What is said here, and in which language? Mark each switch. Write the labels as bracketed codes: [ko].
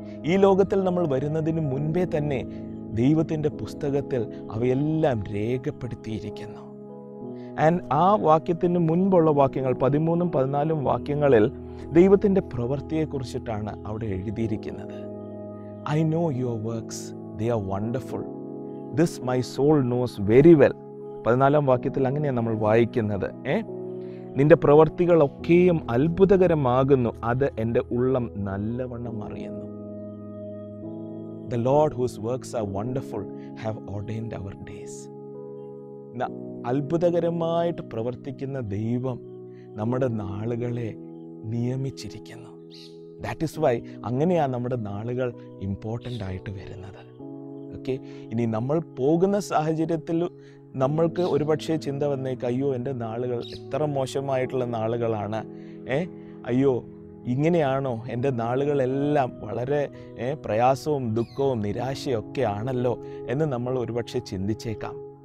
[ml] ഈ ലോകത്തിൽ നമ്മൾ വരുന്നതിന് മുൻപേ തന്നെ ദൈവത്തിൻ്റെ പുസ്തകത്തിൽ അവയെല്ലാം രേഖപ്പെടുത്തിയിരിക്കുന്നു. ആൻഡ് ആ വാക്യത്തിന് മുൻപുള്ള വാക്യങ്ങൾ, 13, 14 വാക്യങ്ങളിൽ ദൈവത്തിൻ്റെ പ്രവൃത്തിയെക്കുറിച്ചിട്ടാണ് അവിടെ എഴുതിയിരിക്കുന്നത്. [en] I know your works, they are wonderful. This my soul knows very well. [ml] 14th വാക്യത്തിൽ അങ്ങനെയാണ് നമ്മൾ വായിക്കുന്നത്. നിന്റെ പ്രവൃത്തികളൊക്കെയും അത്ഭുതകരമാകുന്നു, അത് എൻ്റെ ഉള്ളം നല്ലവണ്ണം അറിയുന്നു. [en] The Lord whose works are wonderful have ordained our days. [ml] അത്ഭുതകരമായിട്ട് പ്രവർത്തിക്കുന്ന ദൈവം നമ്മുടെ നാളുകളെ നിയമിച്ചിരിക്കുന്നു. [en] That is why [ml] അങ്ങനെയാണ് നമ്മുടെ നാളുകൾ ഇമ്പോർട്ടൻ്റ് ആയിട്ട് വരുന്നത്. ഓക്കെ, ഇനി നമ്മൾ പോകുന്ന സാഹചര്യത്തിൽ നമ്മൾക്ക് ഒരുപക്ഷേ ചിന്ത വന്നേക്കും, അയ്യോ എൻ്റെ നാളുകൾ എത്ര മോശമായിട്ടുള്ള നാളുകളാണ്, അയ്യോ ഇങ്ങനെയാണോ എൻ്റെ നാളുകളെല്ലാം, വളരെ പ്രയാസവും ദുഃഖവും നിരാശയൊക്കെ ആണല്ലോ എന്ന് നമ്മൾ ഒരുപക്ഷെ ചിന്തിച്ചേക്കാം.